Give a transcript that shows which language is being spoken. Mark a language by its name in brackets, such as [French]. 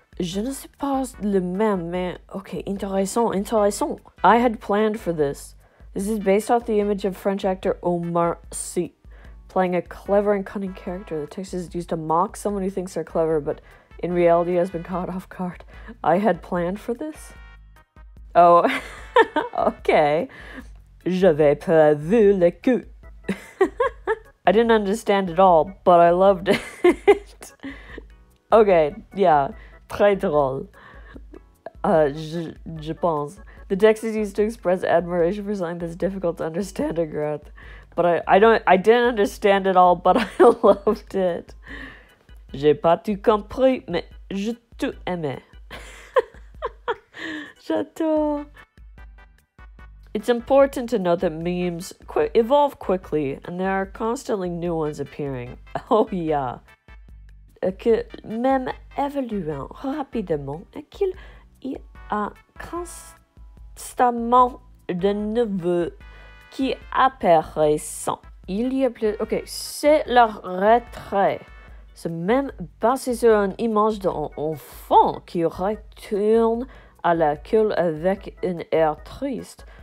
[French] Je ne sais pas le même, mais ok, intéressant. [English] I had planned for this. This is based off the image of French actor Omar Sy, playing a clever and cunning character. The text is used to mock someone who thinks they're clever, but in reality has been caught off guard. I had planned for this? Oh, okay. [French] J'avais prévu le coup. [English] I didn't understand it all, but I loved it. Okay, yeah. [French] Très drôle. Je pense. [English] The text is used to express admiration for something that's difficult to understand or grasp. But I didn't understand it all, but I loved it. [French] J'ai pas tout compris, mais je tout aimais. J'adore. [English] It's important to note that memes evolve quickly, and there are constantly new ones appearing. Oh yeah. [French] Que même évoluant rapidement, et qu'il y a constamment de nouveaux qui apparaissent. Il y a plus... Ok, c'est le retrait. C'est même basé sur une image d'un enfant qui retourne à la queue avec un air triste.